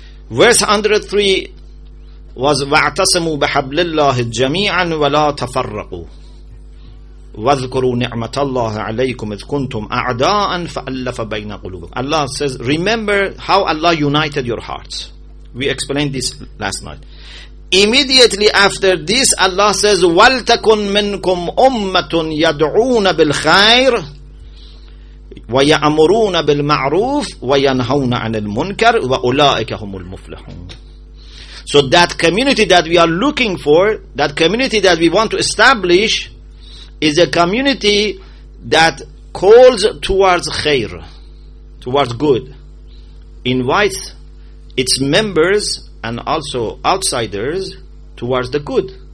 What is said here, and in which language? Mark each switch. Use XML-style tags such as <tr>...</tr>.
<en>Verse 103 was</en> <ar>وَاَعْتَصِمُوا بِحَبْلِ اللَّهِ جَمِيعًا وَلَا تَفَرَّقُوا وَذْكُرُوا نِعْمَةَ اللَّهِ عَلَيْكُمْ إِذْ كُنْتُمْ أَعْدَاءً فَأَلَّفَ بَيْنَ قُلُوبِكُمْ.</ar> <en>Allah says, remember how Allah united your hearts. We explained this last night. Immediately after this, Allah says,</en> <ar>وَلْتَكُنْ مِنْكُمْ أُمَّةٌ يَدْعُونَ بِالْخَيْرِ وَيَأْمُرُونَ بِالْمَعْرُوفِ وَيَنْهَوْنَ عَنِ الْمُنْكَرِ وَأُولَٰئِكَ هُمُ الْمُفْلِحُونَ.</ar> <en>So that community that we are looking for, that community that we want to establish, is a community that calls towards khair, towards good, invites its members and also outsiders towards the good.</en>